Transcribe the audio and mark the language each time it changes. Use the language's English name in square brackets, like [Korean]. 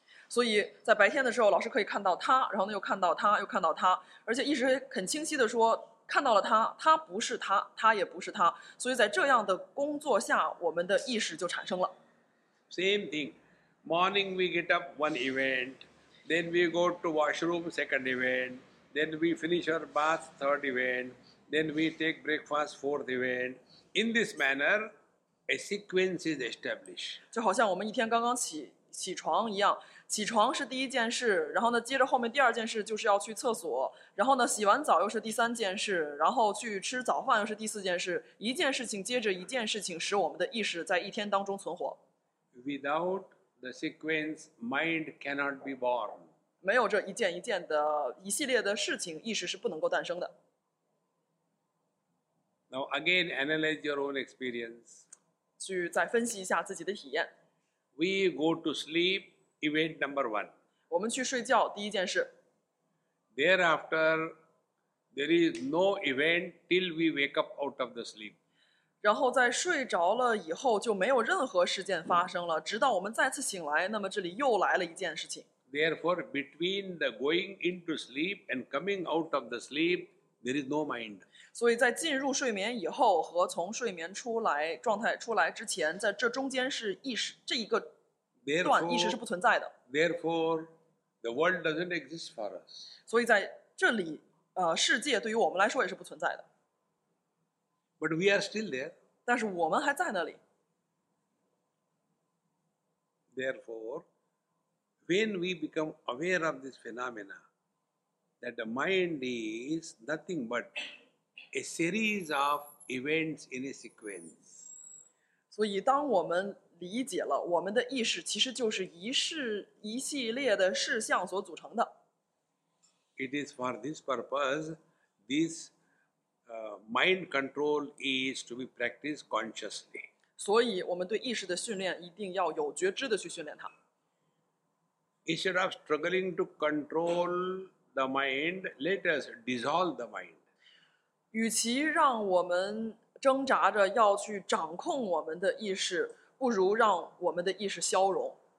[Chinese] 所以在白天的时候老师可以看到她，然后又看到她，又看到她，而且一直很清晰地说看到了她，她不是她，她也不是她。所以在这样的工作下我们的意识就产生了。 [English] Same thing. Morning we get up one event, then we go to washroom second event, then we finish our bath third event, then we take breakfast fourth event. In this manner, a sequence is established. [Chinese] 就好像我们一天刚刚起床一样，起床是第一件事，然后呢，接着后面第二件事就是要去厕所，然后呢，洗完澡又是第三件事，然后去吃早饭又是第四件事，一件事情接着一件事情，使我们的意识在一天当中存活。 [English] Without the sequence, mind cannot be born. [Chinese] 没有这一件一件的一系列的事情，意识是不能够诞生的。 [English] Now again, analyze your own experience. [Chinese] 去再分析一下自己的体验。 [English] We go to sleep, event number one. [Chinese] 我们去睡觉，第一件事。 [English] Thereafter, there is no event till we wake up out of the sleep. [Chinese] 然后在睡着了以后就没有任何事件发生了，直到我们再次醒来，那么这里又来了一件事情。 [English] Therefore, between the going into sleep and coming out of the sleep, there is no mind. [Chinese] 所以在进入睡眠以后和从睡眠出来状态出来之前，在这中间是意识，这一个段意识是不存在的。 [English] Therefore, the world doesn't exist for us. [Chinese] 所以在这里，世界对于我们来说也是不存在的。 [English] But we are still there. [Chinese] 但是我们还在那里。 [English] Therefore, when we become aware of this phenomena, that the mind is nothing but a series of events in a sequence. [Chinese] 所以当我们理解了我们的意识其实就是一系列的事项所组成的。 [English] It is for this purpose, this mind control is to be practiced consciously. [Chinese] 所以我们对意识的训练一定要有觉知地去训练它。 [English] Instead of struggling to control the mind, let us dissolve the mind. [Chinese] 与其让我们挣扎着要去掌控我们的意识，不如让我们的意识消融。